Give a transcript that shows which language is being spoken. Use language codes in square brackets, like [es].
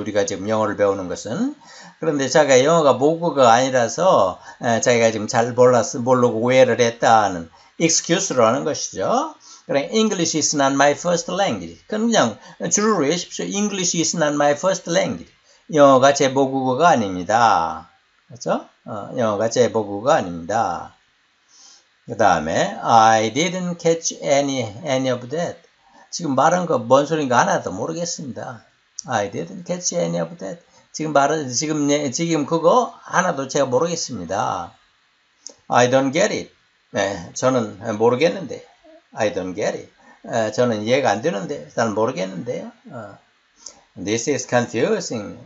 [ko] 우리가 지금 영어를 배우는 것은. 그런데 자기가 영어가 모국어가 아니라서 자기가 지금 잘 몰랐어, 모르고 오해를 했다는 excuse로 하는 것이죠. 그래, [en] English is not my first language. [ko] 그럼 그냥 주로 외십시오. [en] English is not my first language. [ko] 영어가 제 모국어가 아닙니다. 그렇죠? 영어가 제 모국어가 아닙니다. 그 다음에 [en] I didn't catch any of that. [ko] 지금 말한 거 뭔 소린가 하나도 모르겠습니다. [en] I didn't catch any of that. [ko] 지금 말은 지금 그거 하나도 제가 모르겠습니다. [en] I don't get it. [ko] 네, 저는 모르겠는데. [en] I don't get it. [ko] 저는 이해가 안 되는데. 난 모르겠는데요. [en] This is confusing.